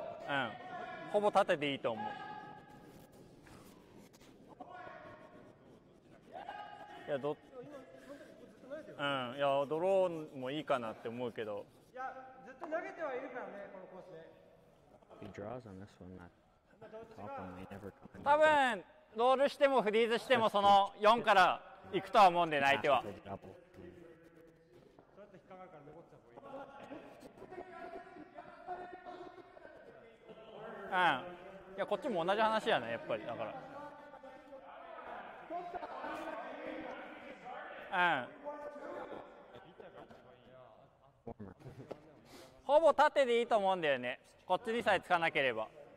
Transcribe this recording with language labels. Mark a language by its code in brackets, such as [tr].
[ja] うん、ほぼ立てていいと思う。いや、いやドローンもいいかなって思うけど。いや、ずっと投げてはいるからね、このコースで。 [en] He draws on this one, not top one. They never come. [ja] 多分ロールしてもフリーズしてもその4から行くとは思うんで、相手は。うん、いやこっちも同じ話やね、やっぱり。だから、うん、ほぼ縦でいいと思うんだよね、こっちにさえつかなければ。